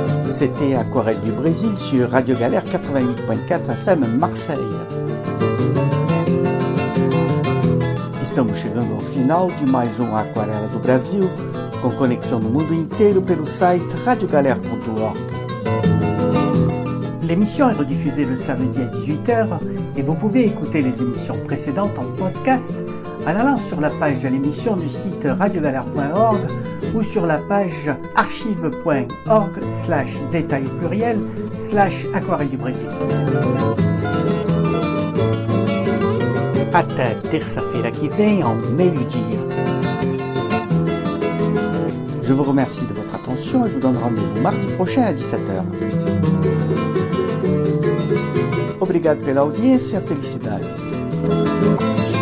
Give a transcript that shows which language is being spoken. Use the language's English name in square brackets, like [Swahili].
[French] C'était Aquarelle du Brésil sur Radio Galère 88.4 FM Marseille. [Portuguese] Estamos chegando ao final de mais um Aquarela do Brasil, com conexão no mundo inteiro pelo site radiogalere.org. [French] L'émission est rediffusée le samedi à 18h et vous pouvez écouter les émissions précédentes en podcast en allant sur la page de l'émission du site radiogalère.org ou sur la page archive.org/détail/aquarelle du Brésil. [Portuguese] Até terça-feira que vem en meio-dia. [French] Je vous remercie de votre attention et vous donne rendez-vous mardi prochain à 17h. [Portuguese] Obrigado pela audiência, felicidades.